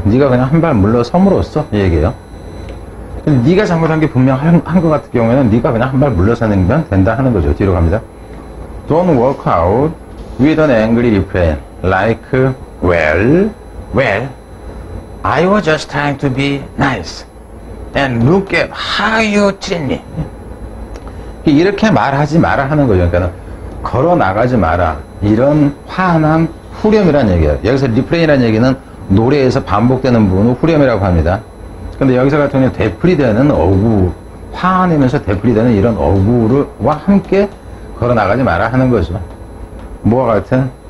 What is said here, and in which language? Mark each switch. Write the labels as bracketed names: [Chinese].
[Korean] 네가 그냥 한 발 물러섬으로써 이 얘기예요. 근데 네가 잘못한 게 분명한 것 같은 경우에는 네가 그냥 한 발 물러서면 된다 하는 거죠. 뒤로 갑니다. [English] Don't walk out with an angry refrain like well I was just trying to be nice and look at how you treat me. [Korean] 이렇게 말하지 마라 하는 거죠. 그러니까 걸어나가지 마라. 이런 화난 후렴이라는 얘기예요. 여기서 리프레인이라는 얘기는 노래에서 반복되는 부분을 후렴이라고 합니다. 근데 여기서 같은 경우에 되풀이되는 어구, 화내면서 되풀이되는 이런 어구와 함께 걸어나가지 마라 하는 거죠. 뭐와 같은?